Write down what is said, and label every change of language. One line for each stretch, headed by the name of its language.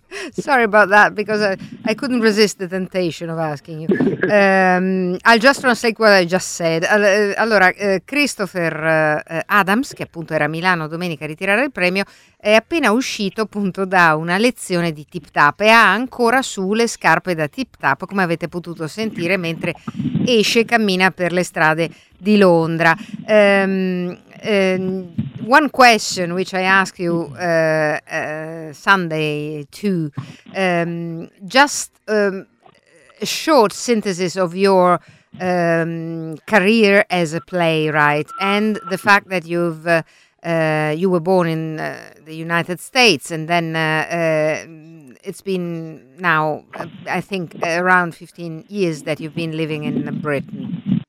English: Sorry about that, because I couldn't resist the temptation of asking you. I'll just translate what I just said.
Italian: Allora, Christopher Adams, che appunto era a Milano domenica a ritirare il premio, è appena uscito appunto da una lezione di tip tap e ha ancora sulle scarpe da tip tap, come avete potuto sentire, mentre esce e cammina per le strade di Londra.
English: One question which I ask you Sunday too, a short synthesis of your career as a playwright and the fact that you were born in the United States, and then it's been now I think around 15 years that you've been living in Britain.